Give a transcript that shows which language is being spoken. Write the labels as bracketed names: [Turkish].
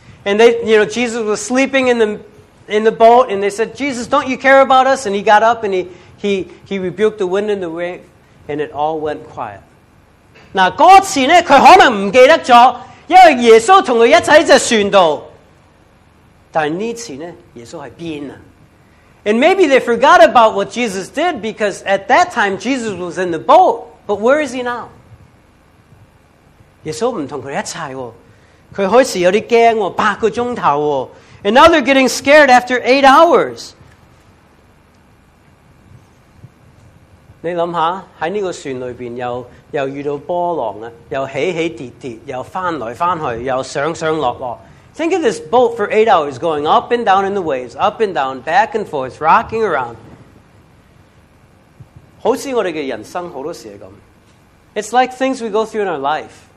[English] And Jesus was sleeping in the boat and they said, Jesus, don't you care about us? And he got up and he rebuked the wind and the wave and it all went quiet。 [Cantonese] 嗱，嗰次咧，佢可能唔记得咗。因为耶稣同佢一齐喺只船度，但系呢次呢，耶稣喺边啊 [English] ？And maybe they forgot about what Jesus did because at that time Jesus was in the boat. But where is he now？ [Cantonese] 耶稣唔同佢一齐，佢开始有啲惊，八个钟头 [English] ，and now they're getting scared after 8 hours。 [Cantonese] 你谂下喺呢个船里边又遇到波浪又起起跌跌，又翻来翻去，又上上落落。 [English] Think of this boat for 8 hours going up and down in the waves, up and down, back and forth, rocking around。 [Cantonese] 好似我哋嘅人生好多时系咁。 [English] It's like things we go through in our life。